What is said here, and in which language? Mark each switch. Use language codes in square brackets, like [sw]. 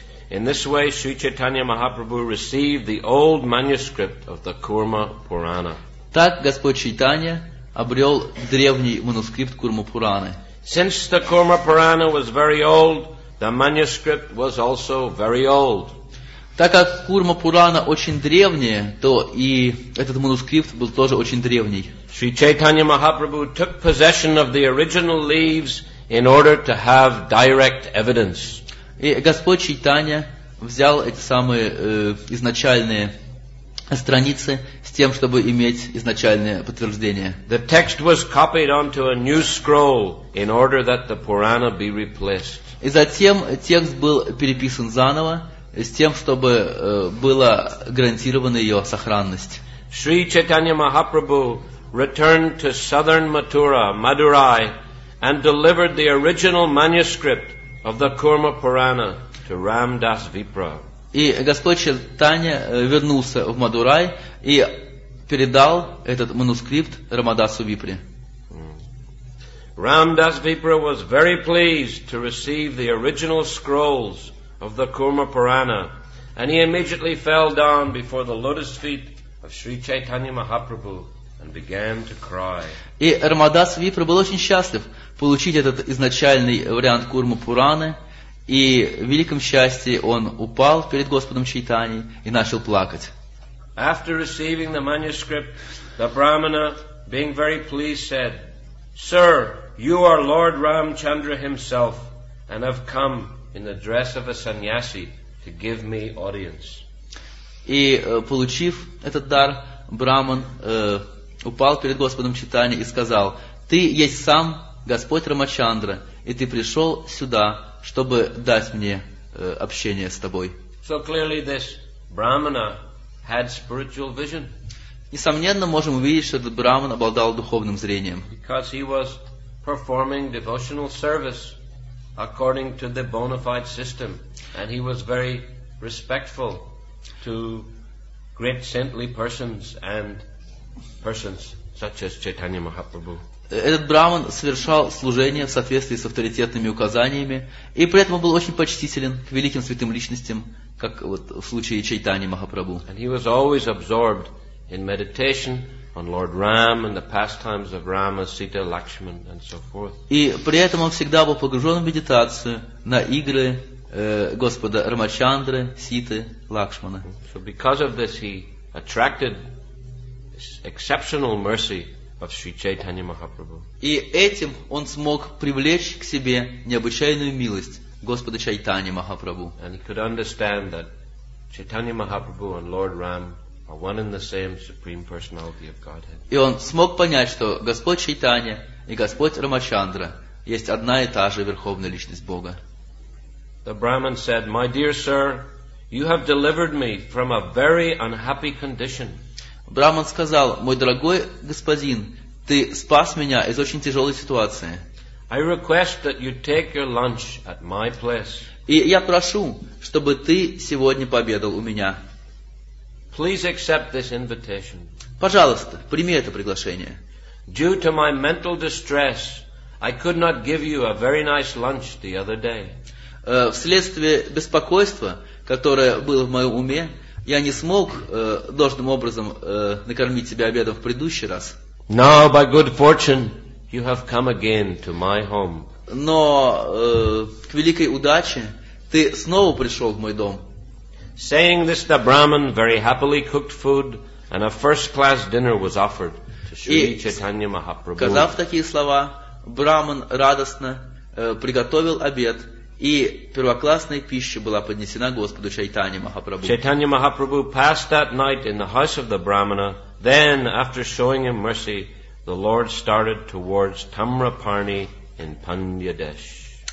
[en] In this way, Sri Chaitanya Mahaprabhu received the old manuscript of the Kurma Purana. [ru] Так Господь Чайтанья обрел древний манускрипт Курма Пураны. [en] Since the Kurma Purana was very old, the manuscript was also very old. [ru] Так как Курма Пурана очень древняя, то и этот манускрипт был тоже очень древний. [en] Sri Chaitanya Mahaprabhu took possession of the original leaves in order to have direct evidence. [ru] И Господь Чайтанья взял эти самые изначальные страницы с тем, чтобы иметь изначальное подтверждение. [en] The text was copied onto a new scroll in order that the Purana be replaced. [ru] И затем текст был переписан заново с тем, чтобы была гарантирована ее сохранность. [en] Sri Chaitanya Mahaprabhu returned to southern Mathura, Madurai, and delivered the original manuscript of the Kurma Purana to Ramdas Vipra. [ru] И Господь Чайтанья вернулся в Мадурай и передал этот манускрипт Рамадасу Випре. [en] Ramdas Vipra was very pleased to receive the original scrolls of the Kurma Purana, and he immediately fell down before the lotus feet of Sri Chaitanya Mahaprabhu and began to cry. [ru] И Рамадас Випра был очень счастлив получить этот изначальный вариант Курма Пураны, и в великом счастье он упал перед Господом Чайтаньей и начал плакать. [en] After receiving the manuscript, the Brahmana, being very pleased, said, "Sir, you are Lord Ramchandra himself, and have come in the dress of a sannyasi to give me audience." [ru] И получив этот дар, Брахман упал перед Господом Чайтанья и сказал: «Ты есть сам Господь Рамачандра, и ты пришел сюда, чтобы дать мне общение с тобой». [en] So clearly this Brahmana had spiritual vision. [ru] Несомненно, можем увидеть, что этот Брахман обладал духовным зрением. [en] Because he was performing devotional service according to the bona fide system, and he was very respectful to great saintly persons and persons such as Chaitanya Mahaprabhu. [ru] Этот Брахман совершал служение в соответствии с авторитетными указаниями, и при этом он был очень почтителен к великим святым личностям, как вот в случае Чайтани Махапрабху. [en] And he was always absorbed in meditation on Lord Ram and the pastimes of Rama, Sita, Lakshman and so forth. [ru] И при этом он всегда был погружен в медитацию на игры Господа Рамачандры, Ситы, Лакшмана. [en] So because of this he attracted exceptional mercy of Sri Chaitanya Mahaprabhu. [ru] И этим он смог привлечь к себе необычайную милость Господа Чайтани Махапрабху. [en] And he could understand that Chaitanya Mahaprabhu and Lord Ram are one and the same supreme personality of Godhead. [ru] И он смог понять, что Господь Чайтанья и Господь Рамачандра есть одна и та же верховная личность Бога. [en] The Brahman said, "My dear sir, you have delivered me from a very unhappy condition." [ru] Брахман сказал: «Мой дорогой господин, ты спас меня из очень тяжелой ситуации. [en] I request that you take your lunch at my place. [ru] И я прошу, чтобы ты сегодня пообедал у меня. [en] Please accept this invitation. [ru] Пожалуйста, прими это приглашение. [en] Due to my mental distress, I could not give you a very nice lunch the other day. [ru] Вследствие беспокойства, которое было в моем уме, я не смог должным образом накормить тебя обедом в предыдущий раз. [en] Now, by good fortune, you have come again to my home. [ru] Но к великой удаче ты снова пришел в мой дом. [en] Saying this, the Brahman very happily cooked food, and a first-class dinner was offered to Sri Chaitanya Mahaprabhu. [ru] Сказав такие слова, Брахман радостно приготовил обед, и первоклассная пища была поднесена Господу Чайтанья Махапрабху. [en] Chaitanya Mahaprabhu passed that night in the house of the Brahmana. Then, after showing him mercy, the Lord started towards Tamrapani in Pandyadesh.